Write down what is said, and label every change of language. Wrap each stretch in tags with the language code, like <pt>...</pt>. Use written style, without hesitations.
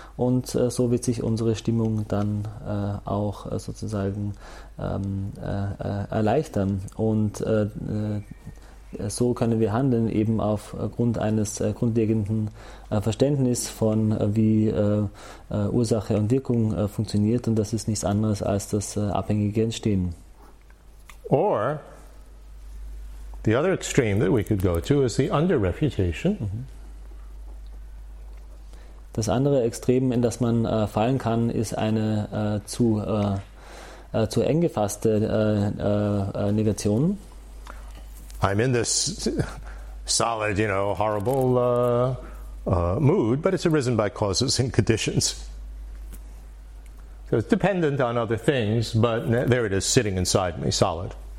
<de>Und so wird sich unsere Stimmung dann auch sozusagen erleichtern. Und so können wir handeln, eben aufgrund eines grundlegenden Verständnisses von, wie Ursache und Wirkung funktioniert. Und das ist nichts anderes als das abhängige Entstehen.</de> <en>Or the other extreme that we could go to is the under-refutation.</en> <de>Das andere Extrem, in das man fallen kann, ist eine zu eng gefasste Negation.</de> <en>I'm in this solid, you know, horrible mood, but it's arisen by causes and conditions. So it's dependent on other things, but there it is sitting inside me, solid.</en>